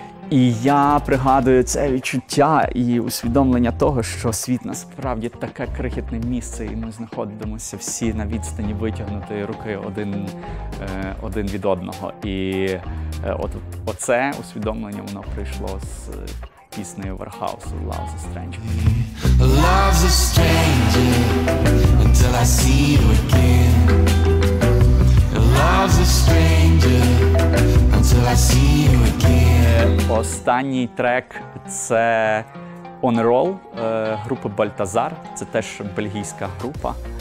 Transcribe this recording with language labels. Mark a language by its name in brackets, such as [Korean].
[Ukrainian] І я пригадую це відчуття і усвідомлення того, що світ насправді таке крихітне місце, і ми знаходимося всі на відстані витягнутої руки один від одного. І оце усвідомлення воно прийшло з піснею Warhouse «Love's a Stranger». [English] Love's a stranger until I see you again. Love's a stranger until I see you again. [Ukrainian] Останній трек – це «On a Roll» групи «Бальтазар». Це теж бельгійська група.